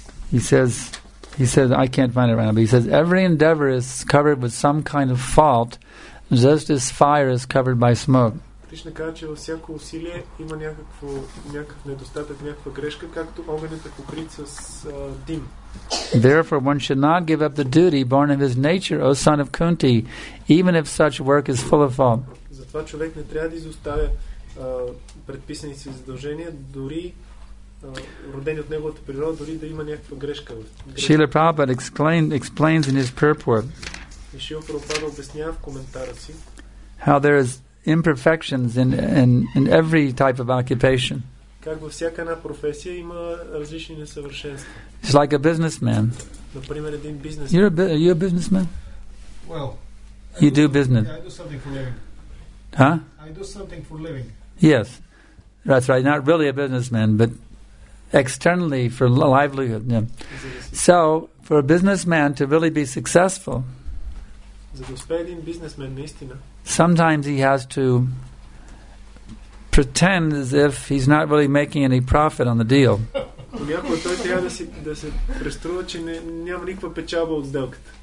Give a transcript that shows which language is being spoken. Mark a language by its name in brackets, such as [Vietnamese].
[English] He says, I can't find it right now, but he says, every endeavor is covered with some kind of fault, just as fire is covered by smoke. [Bulgarian] Кришна казва, че във всяко усилие има някакъв недостатък, някаква грешка, както огънят е покрит с дим. [English] Therefore, one should not give up the duty born of his nature, O son of Kunti, even if such work is full of fault. [Bulgarian] Затова човек не трябва да изоставя предписани си задължения, дори родени от неговата природа, дори да има някаква грешка. [English] Шрила Прабхупада explains in his purport. [Bulgarian] Шрила Прабхупада обяснява в коментара си, [English] how there is imperfections in every type of occupation. [Bulgarian] Как във всяка една професия има различни несъвършенства. [English] It's like a businessman. [Bulgarian] Например, един бизнес. [English] Are you a businessman? Well, you do business. I do something for living. Huh? I do something for living. Yes, that's right. Not really a businessman, but externally for livelihood. Yeah. So, for a businessman to really be successful. [Bulgarian] За да успее един бизнесмен наистина. [English] Sometimes he has to pretend as if he's not really making any profit on the deal. [Bulgarian] понякога той трябва да, си, да се преструва, че не, няма никаква печалба от сделката.